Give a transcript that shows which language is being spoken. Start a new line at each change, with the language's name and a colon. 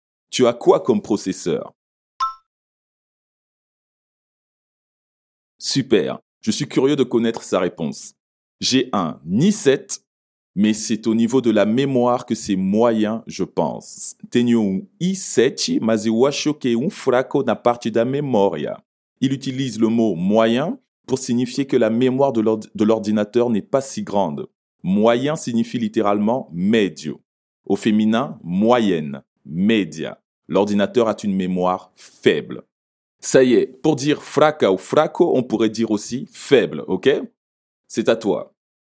French: Tu as quoi comme processeur ? Super, je suis curieux de connaître sa réponse. J'ai un i7, mais c'est au niveau de la mémoire que c'est moyen, je pense.
Portuguese: Tenho i7, mas eu acho que fraco na parte da memória.
French: Il utilise le mot moyen pour signifier que la mémoire de l'ordinateur n'est pas si grande. Moyen signifie littéralement medio. Au féminin, moyenne, media. L'ordinateur a une mémoire faible. Ça y est, pour dire fraca ou fraco, on pourrait dire aussi faible, ok? C'est à toi.